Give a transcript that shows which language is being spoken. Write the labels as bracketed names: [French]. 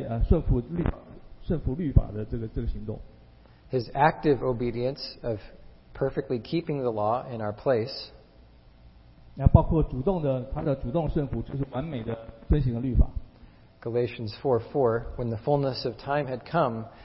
[Chinese] 那这个圣子完成救赎工作，就是在顺服律法的这个行动。 [English] His active obedience of perfectly keeping the law in our place. [Chinese] 那包括主动的，他的主动顺服就是完美的遵行了律法。 [English] Galatians 4:4, when the fullness of time had come.